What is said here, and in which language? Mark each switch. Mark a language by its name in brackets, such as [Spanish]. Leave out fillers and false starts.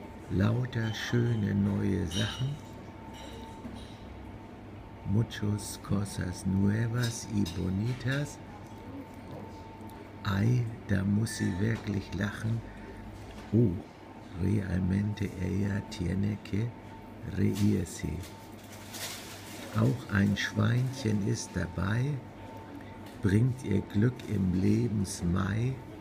[German] Lauter schöne neue Sachen. [Spanish] Muchas cosas nuevas y bonitas. [German] Ay, da muss sie wirklich lachen. [Spanish] Oh, realmente ella tiene que reírse. [German] Auch ein Schweinchen ist dabei, bringt ihr Glück im Lebensmai.